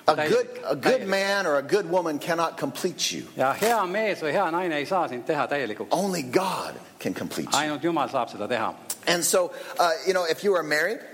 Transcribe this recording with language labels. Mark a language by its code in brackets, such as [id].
[en] A good man or a good woman cannot complete you. [et] Ja hea mees või hea naine ei saa sind teha täielikuks. [en] Only God can complete you. [et] Ainult Jumal saab seda teha. [en] And so, you know, if you are married,